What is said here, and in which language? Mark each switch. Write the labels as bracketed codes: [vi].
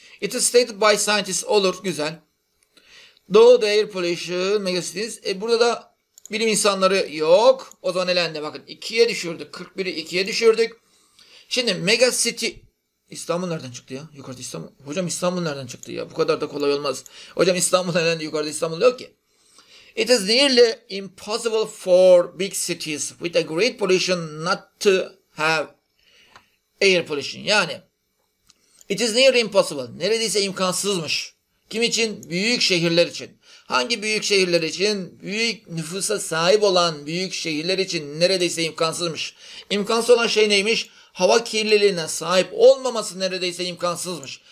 [en] It is stated by scientists. [tr] Olur, güzel. [en] Though the air pollution megacities. [tr] Burada da bilim insanları yok. O zaman elendi. Bakın 2'ye düşürdük. 41'i 2'ye düşürdük. Şimdi mega city. İstanbul nereden çıktı ya? Yukarıda İstanbul. Hocam İstanbul nereden çıktı ya? Bu kadar da kolay olmaz. Hocam İstanbul nereden? Yukarıda İstanbul yok ki. [en] It is nearly impossible for big cities with a great pollution not to have air pollution. [tr] Yani [en] it is nearly impossible. [tr] Neredeyse imkansızmış. Kim için? Büyük şehirler için. Hangi büyük şehirler için? Büyük nüfusa sahip olan büyük şehirler için neredeyse imkansızmış. İmkansız olan şey neymiş? Hava kirliliğine sahip olmaması neredeyse imkansızmış.